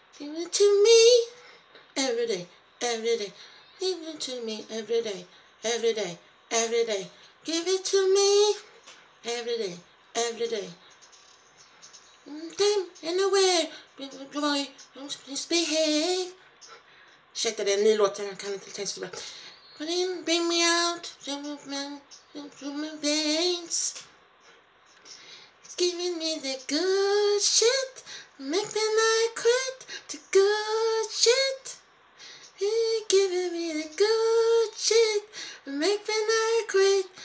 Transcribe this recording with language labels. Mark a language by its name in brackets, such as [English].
[English] Give it to me every day, every day. Give it to me every day, every day, every day. Give it to me every day, every day. Time and aware, boy, please behave. [Swedish] Ursäkta, det är en ny låt, jag kan inte tänka så bra. [English] But then bring me out through my veins. It's giving me the good shit, make me not quit. The good shit, it's giving me the good shit, make me not quit.